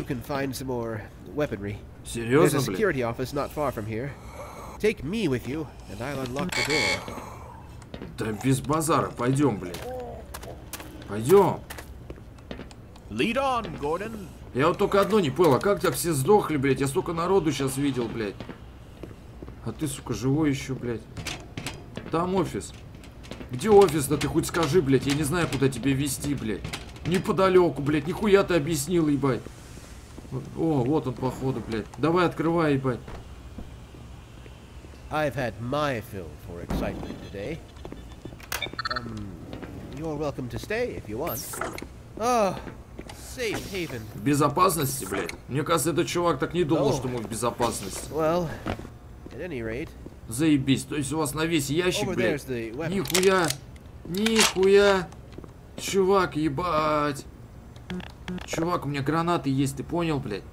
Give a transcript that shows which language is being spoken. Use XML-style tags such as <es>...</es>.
<en>You can find some more weaponry.</en> <ru>Серьезно, блядь?</ru> <en>There's a security office not far from here. Take me with you, and I'll unlock the door.</en> <ru>Да без базара, пойдем, блядь. Пойдем.</ru> <en>Lead on, Gordon.</en> <ru>Я вот только одно не понял, а как тебя все сдохли, блядь? Я столько народу сейчас видел, блядь. А ты, сука, живой еще, блядь. Там офис. Где офис, да ты хоть скажи, блядь, я не знаю, куда тебе везти, блядь. Неподалеку, блядь, нихуя ты объяснил, ебать. О, вот он, походу, блядь. Давай, открывай, ебать.</ru> <en>I've had my fill for excitement today. You're welcome to stay, if you want. Oh, safe haven.</en> <ru>В безопасности, блядь? Мне кажется, этот чувак так не думал, что мы в безопасности.</ru> <en>Well, at any rate...</en> <ru>Заебись, то есть у вас на весь ящик, блядь. Нихуя, нихуя. Чувак, ебать. Чувак, у меня гранаты есть, ты понял, блядь?</ru>